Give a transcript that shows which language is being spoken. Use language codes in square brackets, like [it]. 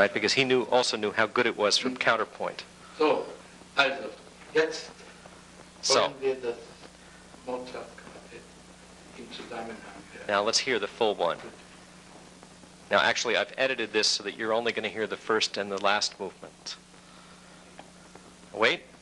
[en] Right, because he knew also knew how good it was from counterpoint. [de] So, also jetzt wollen wir das Mozart-Quartett in Zusammenhang. [en] Now let's hear the full one. Now, actually, I've edited this so that you're only going to hear the first and the last movement. Wait.